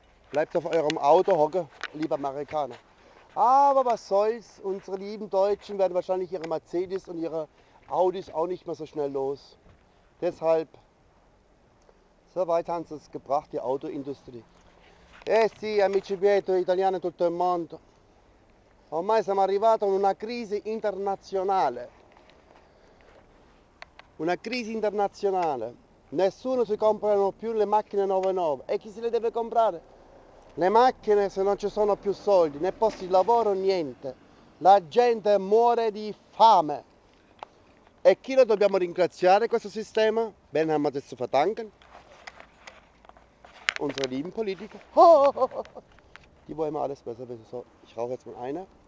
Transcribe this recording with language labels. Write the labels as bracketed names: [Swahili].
[German] Bleibt auf eurem Auto hocke, lieber Amerikaner. Aber was soll's, unsere lieben Deutschen werden wahrscheinlich ihre Mercedes und ihre Audis auch nicht mehr so schnell los. Deshalb, so weit haben sie es gebracht, die Autoindustrie. [Italian] Eh sì, amici miei, italiani, tutto il mondo. Ormai siamo arrivati in una crisi internazionale. Una crisi internazionale. Nessuno si comprano più le macchine 99. E chi se le deve comprare? Le macchine, se non ci sono più soldi, né posti di lavoro, niente. La gente muore di fame. E chi lo dobbiamo ringraziare, questo sistema? [German] Ben haben wir das zu verdanken. Unsere lieben Politiker. Die wollen mal alles besser wissen. So, ich rauche jetzt mal eine.